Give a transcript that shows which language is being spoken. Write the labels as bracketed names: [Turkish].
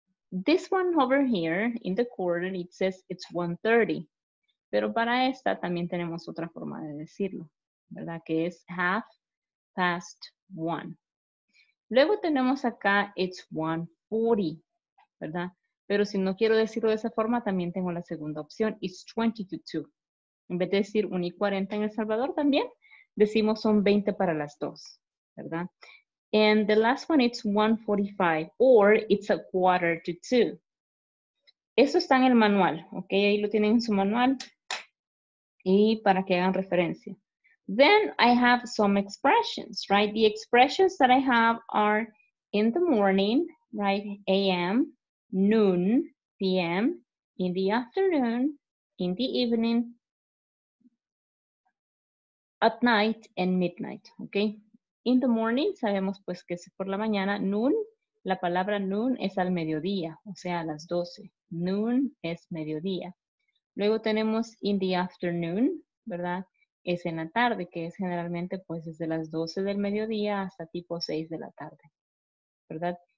[English] This one over here in the corner, it says it's 1:30. [Spanish] Pero para esta también tenemos otra forma de decirlo, ¿verdad? Que es 1:30. Luego tenemos acá, [English] it's 1:40, [Spanish] ¿verdad? Pero si no quiero decirlo de esa forma, también tengo la segunda opción, [English] it's 1:40. [Spanish] En vez de decir 1:40 en El Salvador también, decimos son 20 para las dos, ¿verdad? [English] And the last one, it's 1:45, or it's 1:45. [Spanish] Eso está en el manual, ¿ok? Ahí lo tienen en su manual. Y para que hagan referencia. [English] Then I have some expressions, right? The expressions that I have are in the morning, right? A.M., noon, P.M., in the afternoon, in the evening, at night, and midnight, okay? In the morning, [Spanish] sabemos pues que es por la mañana. Noon, la palabra noon es al mediodía, o sea, a las 12. Noon es mediodía. Luego tenemos [English] in the afternoon, [Spanish] ¿verdad? Es en la tarde, que es generalmente pues desde las 12 del mediodía hasta tipo 6 de la tarde, ¿verdad?